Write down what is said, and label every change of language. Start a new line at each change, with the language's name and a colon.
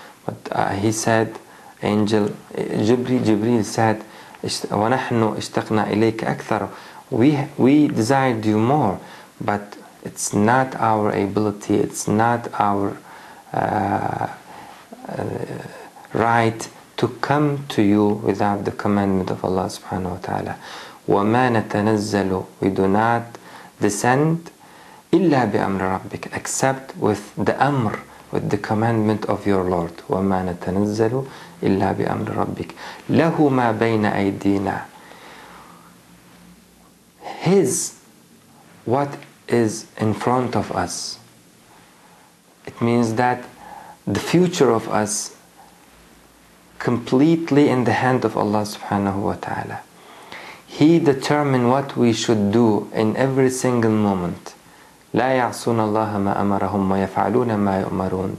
English: But he said, angel Jibreel said,
Arabic: ونحن اشتقنا إليك أكثر,
English: we desired you more, but it's not our ability, it's not our right to come to you without the commandment of Allah subhanahu wa ta'ala.
Arabic: وَمَا نَتَنَزَّلُ,
English: we do not descend
Arabic: إِلَّا بِأَمْرِ رَبِّكَ,
English: except with the amr, with the commandment of your Lord.
Arabic: وَمَا نَتَنَزَّلُ إِلَّا بِأَمْرِ رَبِّكَ لَهُ مَا بَيْنَ أَيْدِينَا,
English: his, what is in front of us. It means that the future of us completely in the hand of Allah subhanahu wa ta'ala. He determines what we should do in every single moment.
Arabic: لا يعصون الله ما أمرهم ويفعلون ما يؤمرون.